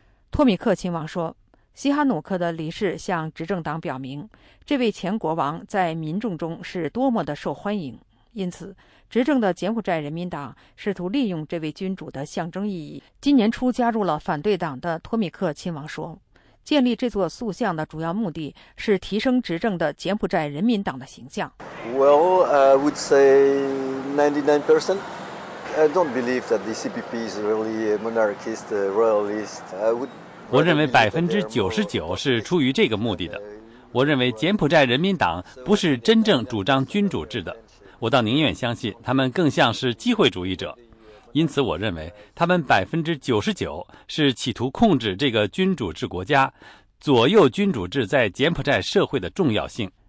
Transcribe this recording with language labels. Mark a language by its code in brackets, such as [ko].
[zh] 托米克亲王说，西哈努克的离世向执政党表明，这位前国王在民众中是多么的受欢迎，因此执政的柬埔寨人民党试图利用这位君主的象征意义。今年初加入了反对党的托米克亲王说，建立这座塑像的主要目的是提升执政的柬埔寨人民党的形象。 [en] Well, I would say 99%I don't believe that the CPP is really a monarchist, a royalist. I would. [zh] 我认为99%是出于这个目的的。我认为柬埔寨人民党不是真正主张君主制的。我倒宁愿相信他们更像是机会主义者。因此，我认为他们99%是企图控制这个君主制国家，左右君主制在柬埔寨社会的重要性。